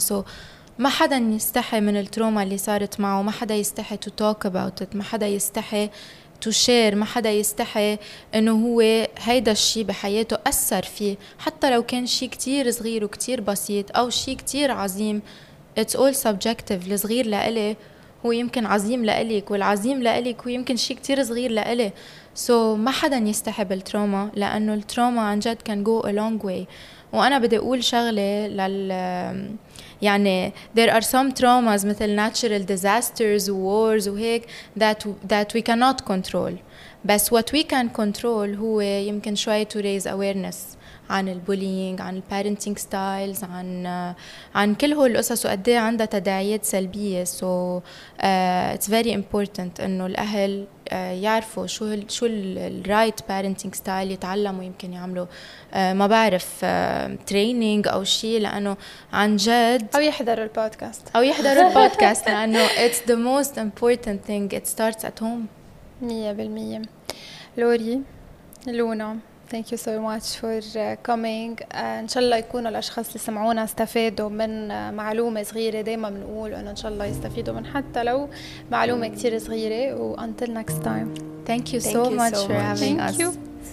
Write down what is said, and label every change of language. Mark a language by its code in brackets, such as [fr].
[ar] سو ما حدا يستحي من التروما اللي صارت معه ما حدا يستحي [en] to talk about it [ar] ما حدا يستحي [en] to share [ar] ما حدا يستحي انه هو هيدا الشيء بحياته اثر فيه حتى لو كان شيء كتير صغير وكتير بسيط او شيء كتير عظيم. [en] it's all subjective. [ar] الصغير لإلي هو يمكن عظيم لإلك والعظيم لإلك هو يمكن شيء كتير صغير لإلي. سو ما حدا يستحب التروما لأنه التروما عن جد [en] can go a long way. [ar] وأنا بدي أقول شغلة لل يعني [en] there are some traumas [ar] مثل [en] natural disasters wars [ar] وهيك [en] that we cannot control. [ar] بس [en] what we can control [ar] هو يمكن شوية [en] to raise awareness [ar] عن البولينج عن البارنتينج ستايلز عن كل هالقصص وقديه عندها تداعيات سلبيه. [en] so it's very important [ar] انه الاهل يعرفوا شو الرايت بارنتينج ستايل يتعلموا يمكن يعملوا ما بعرف تريننج او شيء لانه عن جد او يحضروا البودكاست او يحضروا البودكاست لانه [en] اتس ذا موست امبورتنت ثينج ات ستارتس ات هوم 100%. لوري لونا Thank you so much for coming. [ar] إن شاء الله يكونوا الأشخاص اللي سمعونا استفادوا من معلومة صغيرة. دايما بنقول إنه إن شاء الله يستفيدوا من حتى لو معلومة كتير صغيرة. و [en] until next time. Thank you so much for having us.